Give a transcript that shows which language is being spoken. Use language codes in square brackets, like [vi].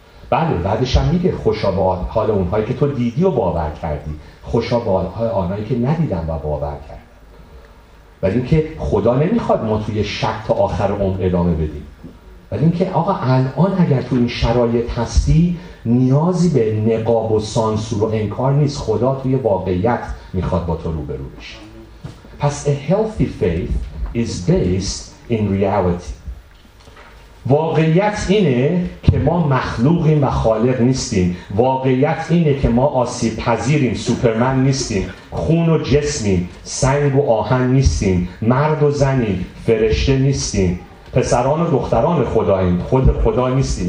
[fa] بله بعدش هم میگه خوشا به حال اونهایی که تو دیدی و باور کردی، خوشا به حال آنهایی که ندیدن و باور کردن. ولی اینکه خدا نمیخواد ما توی شک تا آخر عمر ادامه بدیم، ولی اینکه آقا الان اگر تو این شرایط هستی نیازی به نقاب و سانسور و انکار نیست، خدا توی واقعیت میخواد با تو روبرو بشه. [en] پس a healthy faith is based in reality. [fa] واقعیت اینه که ما مخلوقیم و خالق نیستیم. واقعیت اینه که ما آسیب پذیریم، سوپرمن نیستیم، خون و جسمیم، سنگ و آهن نیستیم، مرد و زنیم، فرشته نیستیم، پسران و دختران خداییم، خود خدا نیستیم.